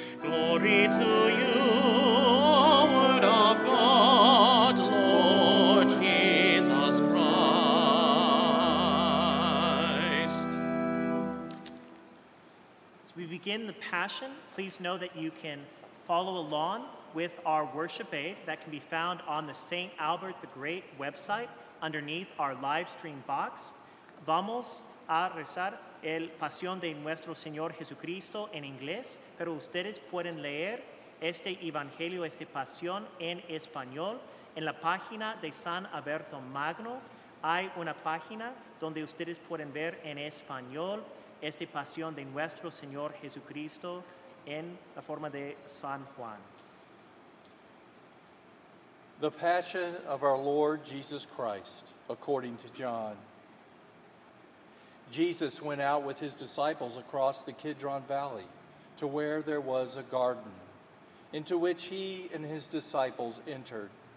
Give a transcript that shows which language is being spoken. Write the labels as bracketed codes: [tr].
[en] Glory to you, Word of God, Lord Jesus Christ. As we begin the Passion, please know that you can follow along with our worship aid that can be found on the St. Albert the Great website underneath our live stream box. [es] Vamos a rezar el Pasión de Nuestro Señor Jesucristo en inglés, pero ustedes pueden leer este Evangelio, este Pasión en español. En la página de San Alberto Magno hay una página donde ustedes pueden ver en español este Pasión de Nuestro Señor Jesucristo en la forma de San Juan. [en] The Passion of our Lord Jesus Christ, according to John. Jesus went out with his disciples across the Kidron Valley to where there was a garden, into which he and his disciples entered.